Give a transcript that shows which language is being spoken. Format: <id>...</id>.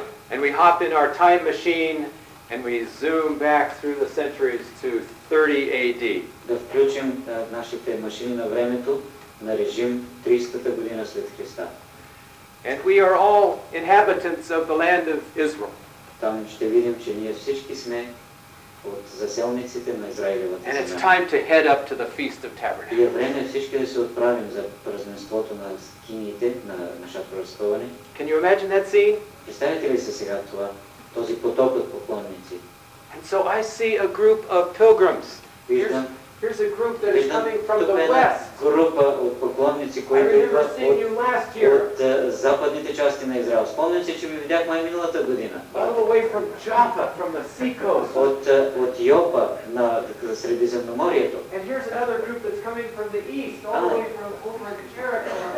<en>And we hop in our time machine and we zoom back through the centuries to 30 AD.</en> <bg>Да включим нашите машини на времето на режим 300-та година след Христа.</bg> <en>And we are all inhabitants of the land of Israel.</en> <bg>Там ще видим, че ние всички сме от заселниците на Израилевата земя.</bg> <en>And it's time to head up to the Feast of Tabernacles.</en> <bg>И е време всички да се отправим за празненството на скиниите, на шатрово разстъване.</bg> <en>Can you imagine that scene?</en> <bg>Представете ли се сега това, този поток от поклонници?</bg> <en>And so I see a group of pilgrims. Here's a group that is coming from the west.</en> <bg>Група от поклонници, които идват от западните части на Израел. Спомням се, че ви видяхме миналата година.</bg> <en>All the way from Jaffa, from the sea coast.</en> <bg>От Йопа на Средиземноморието.</bg> <en>And here's another group that's coming from the east, all the way from over to Jericho.</en>